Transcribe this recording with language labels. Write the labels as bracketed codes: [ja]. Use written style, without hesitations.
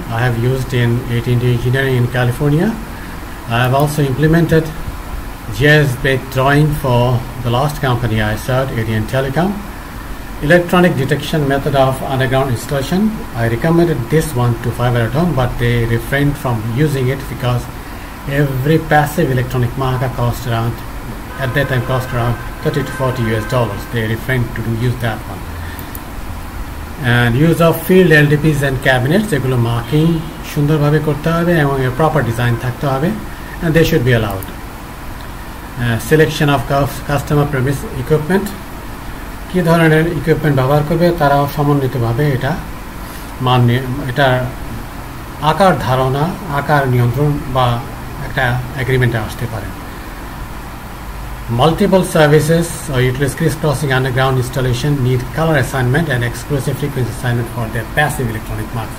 [en] I have used in 18D engineering in California. I have also implemented GIS based drawing for the last company I served, ADN telecom. Electronic detection method of underground installation, I recommended this one to fiber at home, but they refrain from using it because every passive electronic marker cost around at that time cost around $30 to $40. They refrained to use that one. And use of field LDPs and cabinets, [bn] এগুলো marking সুন্দরভাবে করতে হবে এবং এর proper design থাকতে হবে, [en] and they should be allowed. Selection of customer premise equipment, [bn] কী ধরনের equipment ব্যবহার করবে তারাও সমন্বিতভাবে এটা মানিয়ে এটার আকার ধারণা আকার নিয়ন্ত্রণ বা একটা অ্যাগ্রিমেন্টে আসতে পারে। [en] Multiple services or utilities crisscrossing underground installation need color assignment and exclusive frequency assignment for their passive electronic marks.